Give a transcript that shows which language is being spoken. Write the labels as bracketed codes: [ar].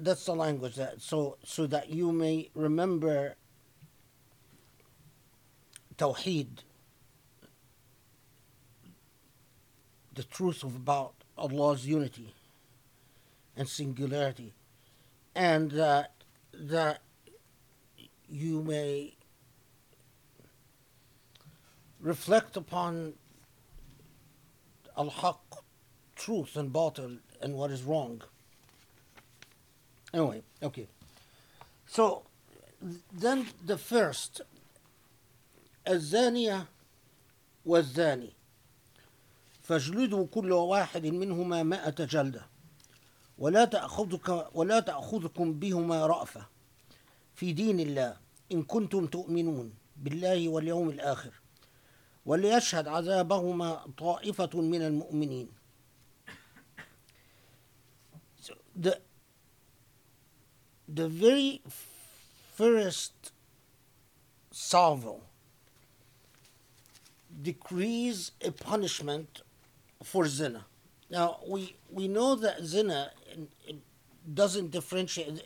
[en] That's the language, that so that you may remember Tawheed, the truth of about Allah's unity and singularity, and that you may reflect upon al-haq, truth and batil, and what is wrong. Anyway, okay. So then the first, [ar] الزانية والزاني فاجلدوا كل واحد منهما مائة جلدة ولا تأخذكم بهما رأفة في دين الله إن كنتم تؤمنون بالله واليوم الآخر وليشهد عذابهما طائفة من المؤمنين. [en] The very first salvo decrees a punishment for zina. Now, we know that zina doesn't differentiate.